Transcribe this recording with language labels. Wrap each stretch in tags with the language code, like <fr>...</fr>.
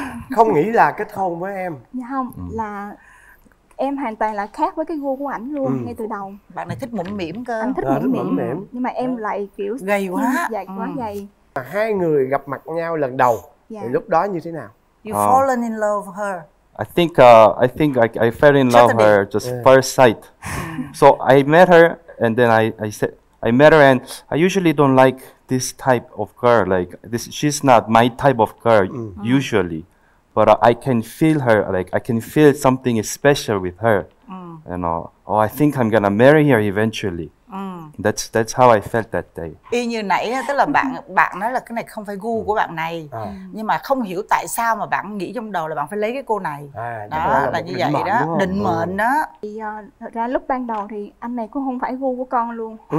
<vi>Không nghĩ là kết hôn với em. Dạ không, là em hoàn toàn là khác với cái gu của ảnh luôn. Ngay từ đầu bạn này thích mỉm mỉm cơ. Anh thích mỉm mỉm. Nhưng mà em lại kiểu gầy quá, dài quá gầy. Hai người gặp mặt nhau lần đầu thì lúc đó như thế nào?</vi> <en>You fallen in love with her. I think I fell in love her just first sight. So I met her and then I said I met her and I usually don't like this type of girl, like this, she's not my type of girl usually, but I can feel her, like I can feel something special with her. And I think I'm gonna marry her eventually. That's how I felt that day.</en> <vi>Y như nãy, tức là bạn nói là cái này không phải gu của bạn này. Nhưng mà không hiểu tại sao mà bạn nghĩ trong đầu là bạn phải lấy cái cô này. Đó là như vậy đó, định mệnh đó. Thì thật ra lúc ban đầu thì anh này cũng không phải gu của con luôn.</vi>